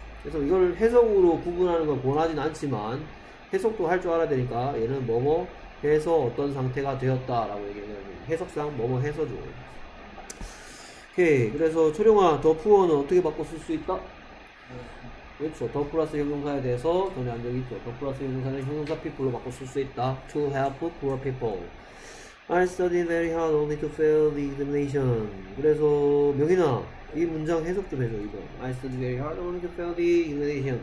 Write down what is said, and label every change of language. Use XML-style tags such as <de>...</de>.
<ko>그래서 이걸 해석으로 구분하는 걸 권하진 않지만 해석도 할줄 알아야 되니까 얘는 뭐뭐 해서 어떤 상태가 되었다라고 얘기하는 해석상 뭐뭐 해서죠. 오케이. 그래서 초령아, 더 푸어는 어떻게 바꿔 쓸수 있다? 그렇죠. 더 플러스 형용사에 대해서 전에 한 적이 있죠. 더 플러스 형용사는 형용사 people로 바꿔 쓸수 있다.</ko> <en>To help poor people. I studied very hard only to fail the examination.</en> <ko>그래서 명인아, 이 문장 해석 좀 해줘. 이거.</ko> <en>I studied very hard only to fail the examination.</en>